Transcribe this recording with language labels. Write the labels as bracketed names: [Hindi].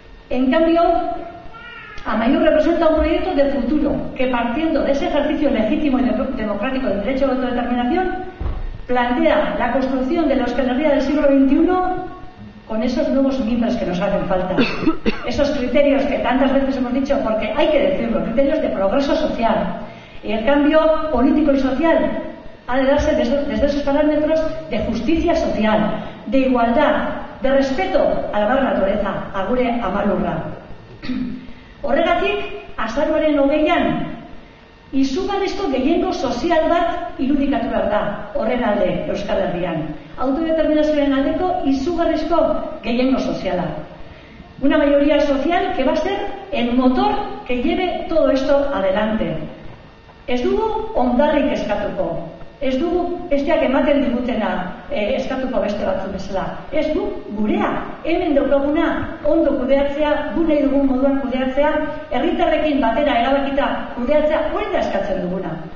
[Spanish] En cambio, Amaiur representa un proyecto de futuro que, partiendo de ese ejercicio legítimo y democrático del derecho a la autodeterminación, plantea la construcción de la Euskal Herria del siglo XXI con esos nuevos miembros que nos hacen falta, esos criterios que tantas veces hemos dicho, porque hay que decirlo, criterios de progreso social. Y el cambio político y social ha de darse desde esos parámetros de justicia social, de igualdad, de respeto a la madre naturaleza, a [Basque] gure ama lurra. Horregatik, azaroaren 20an, izugarrizko gehiengo sozial bat irudikatu behar da, horren alde, Euskal Herrian. Autodeterminazioaren aldeko izugarrizko gehiengo soziala. [Spanish] Una mayoría social que va a ser el motor que lleve todo esto adelante. [Basque] Ez dugu ondarrik eskatuko. Ez dugu besteak ematen digutena eskatuko beste batzu bezala. Ez du gurea, hemen daukaguna ondo kudeatzea, gu nahi dugun moduan kudeatzea, herritarrekin batera erabakita kudeatzea, hori da eskatzen duguna.